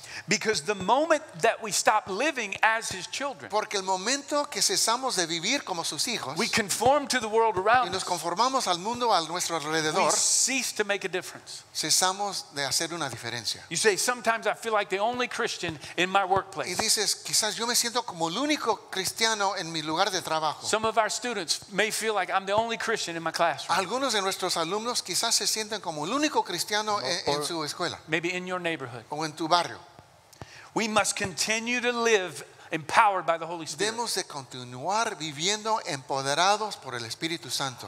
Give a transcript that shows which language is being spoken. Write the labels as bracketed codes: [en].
[en] Because the moment that we stop living as his children, [es] porque el momento que cesamos de vivir como sus hijos, [en] we conform to the world around [es] y nos conformamos al mundo a nuestro alrededor, [en] we cease to make a difference. [es] Cesamos de hacer una diferencia. [en] You say, sometimes I feel like the only Christian in my workplace. [es] Y dices, quizás yo me siento como el único cristiano en mi lugar de trabajo. [en] Some of our students may feel like I'm the only Christian in my classroom. [es] Algunos de nuestros alumnos quizás se sienten como el único cristiano en su escuela. [en] Maybe in your neighborhood. [es] O en tu barrio. [en] We must continue to live empowered by the Holy Spirit. [es] Debemos de continuar viviendo empoderados por el Espíritu Santo.